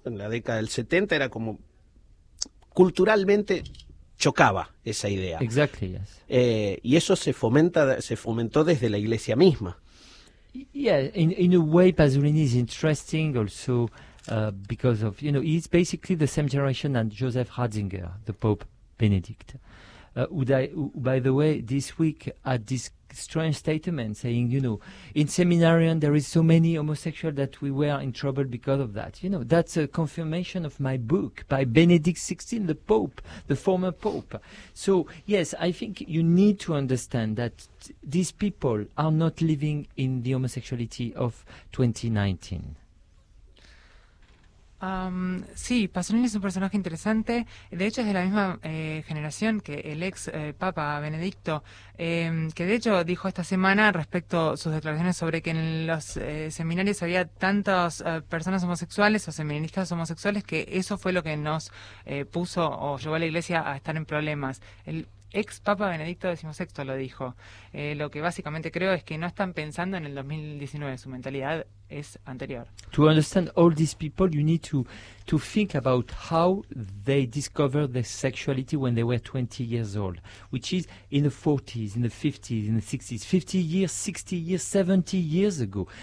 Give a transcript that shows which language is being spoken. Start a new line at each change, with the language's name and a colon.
Spanish: En la década del 70 era como culturalmente chocaba esa idea.
English: Exactly, yes.
Spanish: Y eso se fomentó desde la iglesia misma.
English: Yeah, in a way Pasolini is interesting also because of, you know, he's basically the same generation as Joseph Ratzinger, the Pope Benedict. Who, by the way, this week had this strange statement saying, you know, in seminarian there is so many homosexuals that we were in trouble because of that. You know, that's a confirmation of my book by Benedict XVI, the Pope, the former Pope. So, yes, I think you need to understand that these people are not living in the homosexuality of 2019.
Spanish: Sí, Pasolini es un personaje interesante. De hecho, es de la misma generación que el ex Papa Benedicto, que de hecho dijo esta semana respecto a sus declaraciones sobre que en los seminarios había tantas personas homosexuales o seminaristas homosexuales que eso fue lo que nos puso o llevó a la iglesia a estar en problemas. El ex Papa Benedicto XVI lo dijo. Lo que básicamente creo es que no están pensando en el 2019, su mentalidad es anterior.
English: To understand all these people, you need to think about how they discovered their sexuality when they were 20 years old, which is in the 40s, in the 50s, in the 60s, 50 years, 60 years, 70 years ago.